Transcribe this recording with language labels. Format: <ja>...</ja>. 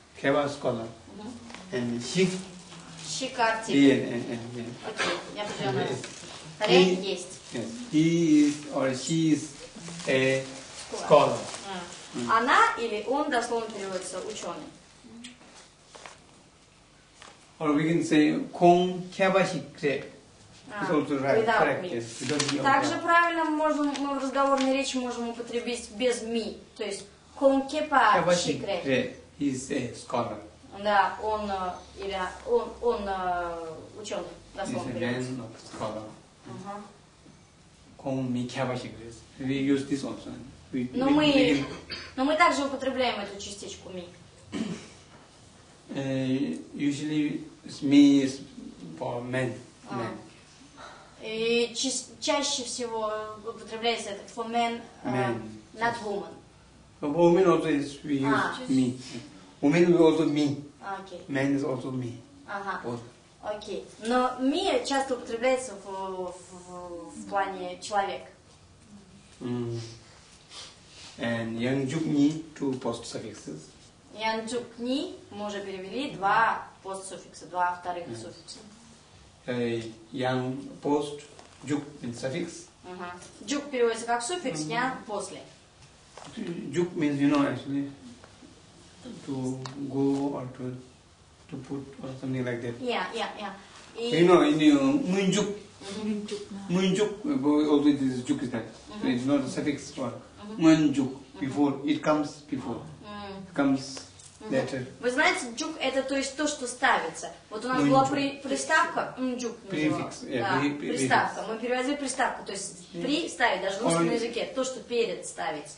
<en>Кеба scholar. And шик.</en> <ru>Шик артик. Окей, я поняла. Ре есть.</ru> <en>He is or she is a Скола.</en> <ru>Она или он дословно переводится ученый.</ru> <en>Or we can say</en> <bo>Kong Kyabashikre.</bo> <en>It's also right.</en> <ru>Также правильно можем, мы в разговорной речи можем употребить без ми. То есть</ru> <bo>Kong Kyabashikre.</bo> <en>He's a scholar.</en> <ru>Да, он или он ученый.</ru> <en>He's a man of scholar.</en> <bo>Kong Mi Kyabashikre.</bo> <en>We use this also.</en> <ru>Но мы также употребляем эту частичку ми.</ru> <en>Usually me is for men. Men.</en> <ru>И чаще всего употребляется этот</ru> <en>for men, men. Not woman. For women also is we use me. Women is also me. Okay. Men is also me. Okay.</en> <ru>Но me часто употребляется в плане человек.</ru> <en>And Yangjuk ni two post suffixes.</en> <ru>Янчук ни, мы уже перевели два постсуффикса, два вторых суффикса. Ян пост, джук суффикс. Джук переводится как суффикс, я после.</ru> <en>Джук means, you know, actually, to go or to put or something like that. Yeah. You know, мунджук.</en> <bo>Мунджук.</bo> <en>Мунджук, although this is джук is that. It's not a suffix for мунджук, before, it comes before. It comes.</en> <ru>Вы знаете, джук это то есть то, что ставится. Вот у нас была приставка мджук. Префикс. Приставка. Мы переводили приставку. То есть при ставить, даже в русском языке, то, что перед ставить.</ru>